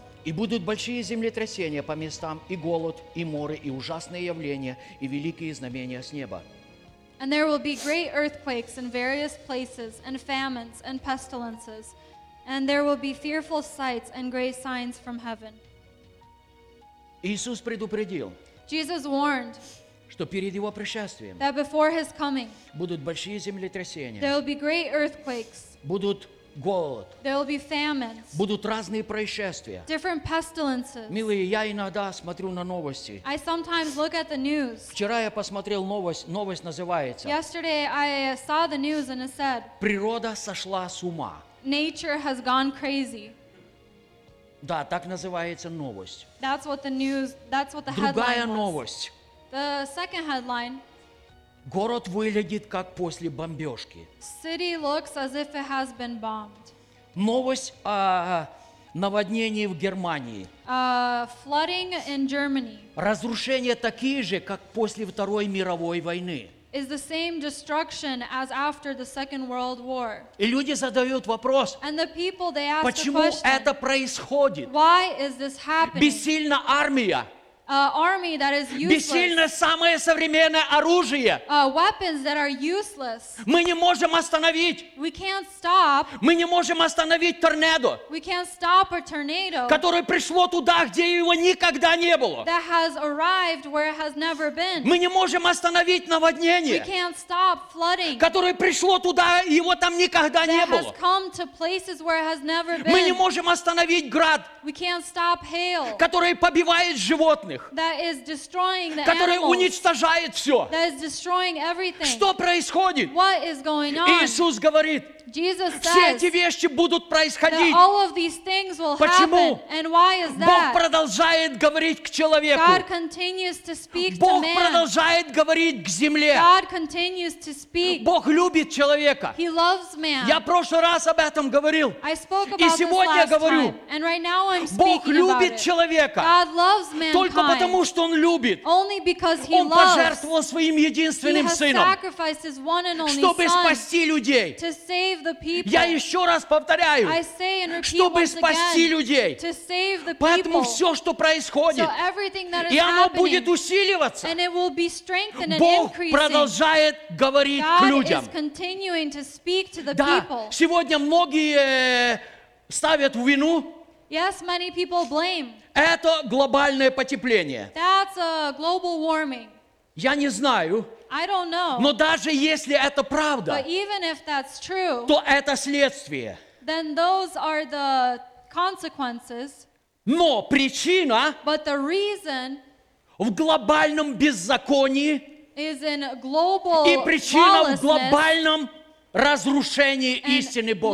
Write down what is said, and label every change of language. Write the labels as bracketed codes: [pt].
[ru] И будут большие землетрясения по местам, и голод, и моры, и ужасные явления, и великие знамения с неба. [en] And there will be great earthquakes in various places, and famines, and pestilences, and there will be fearful sights and great signs from heaven. [ru] Иисус предупредил. [en] Jesus warned. [ru] Что перед его пришествием. [en] That before his coming. [ru] Будут большие землетрясения. [en] There will be great earthquakes. [ru] Будут голод. [en] There will be famines. [ru] Будут разные происшествия. [en] Different pestilences. [ru] Милые, я иногда смотрю на новости. [en] I sometimes look at the news. [ru] Вчера я посмотрел новость. Новость называется. [en] Yesterday I saw the news and it said. [ru] Природа сошла с ума. [en] Nature has gone crazy. [ru] Да, так называется новость. [en] That's what the news. That's what the headline was. [ru] Другая новость. [en] The second headline. [ru] Город выглядит как после бомбежки. [en] City looks as if it has been bombed. [ru] Новость о наводнении в Германии. [en] Flooding in Germany. [ru] Разрушения такие же, как после Второй мировой войны. [en] Is the same destruction as after the Second World War. [ru] И люди задают вопрос. [en] And the people, they ask [ru] почему [en] the question, [ru] это происходит? [en] Why is this happening? [ru] Бессильна армия. [en] Army that is useless. [ru] Бессильно самое современное оружие. [en] Weapons that are useless. [ru] Мы не можем остановить. [en] We can't stop. [ru] Мы не можем остановить торнадо. [en] We can't stop a tornado. [ru] Которое пришло туда, где его никогда не было. [en] That has arrived where it has never been. [ru] Мы не можем остановить наводнение. [en] We can't stop flooding. [ru] Которое пришло туда, его там никогда не было. [en] That has come to places where it has never been. [ru] Мы не можем остановить град. [en] We can't stop hail. [ru] Которое побивает живот. [en] That is destroying the [ru] которое [en] animals, [ru] уничтожает все. [en] That is destroying everything. [ru] Что происходит? [en] What is going on? [ru] Иисус говорит, [en] Jesus says, [ru] все эти вещи будут происходить. [en] All of these things will [ru] почему? [en] Happen. And why is that? [ru] Бог продолжает говорить к человеку. [en] God continues to speak [ru] Бог [en] to man. [ru] Продолжает говорить к земле. [en] God continues to speak. [ru] Бог любит человека. [en] He loves man. [ru] Я в прошлый раз об этом говорил. [en] I spoke about [ru] и сегодня [en] this last [ru] говорю, [en] time. And right now I'm speaking [ru] Бог любит [en] about it. [ru] Человека. [en] God loves man. [ru] Только потому, что Он любит. [en] Only because he [ru] Он пожертвовал Своим единственным Сыном, чтобы спасти людей. [en] To save the people. [ru] Я еще раз повторяю, чтобы спасти людей. [en] To save the people. [ru] Поэтому все, что происходит, [en] so everything that is [ru] и оно будет усиливаться, [en] and it will be strengthened and [ru] Бог [en] increasing. [ru] Продолжает говорить [en] God [ru] к людям. [en] Is continuing to speak to the [ru] да, [en] people. [ru] Сегодня многие ставят вину. [en] Yes, many people blame. [ru] Это глобальное потепление. [en] That's a global warming. [ru] Я не знаю. [en] I don't know. [ru] Но даже если это правда, [en] but even if that's true, [ru] то это следствие. [en] Then those are the consequences. [ru] Но причина [en] but the reason [ru] в глобальном беззаконии [en] is in global [ru] и причина в глобальном разрушение истины